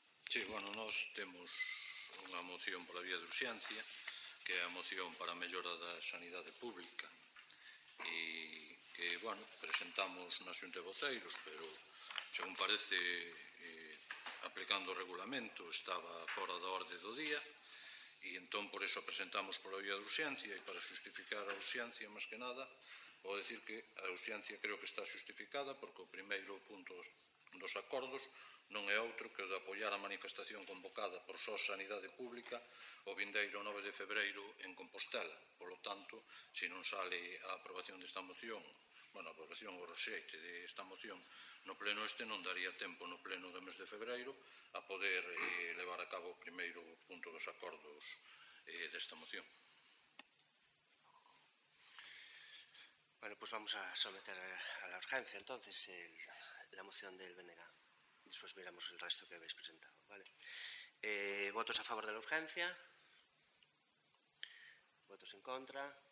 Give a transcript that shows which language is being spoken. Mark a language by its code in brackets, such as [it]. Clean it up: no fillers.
[es] Sí, bueno, nos tenemos una moción por la vía de urgencia, que es la moción para mejora de la sanidad pública, y que, bueno, presentamos una [gl] xunta de voceiros, [es] pero según parece, aplicando el regulamento, estaba fuera de orden del día. [gl] E entón, por iso, presentamos pola vía de urxencia e para justificar a urxencia, máis que nada, vou decir que a urxencia creo que está justificada porque o primeiro punto dos acordos non é outro que o de apoiar a manifestación convocada por SOS Sanidade Pública o vindeiro 9 de febreiro en Compostela. Polo tanto, se non sale a aprobación desta moción, bueno, a aprobación ou rexeite desta moción no pleno este, non daría tempo no pleno do mes de febreiro a poder levar a cabo o primeiro punto dos acordos desta moción. [es] Bueno, pues vamos a someter a la urgencia entonces la moción del BNG. Después miramos el resto que habéis presentado, ¿vale? ¿Votos a favor de la urgencia? ¿Votos en contra?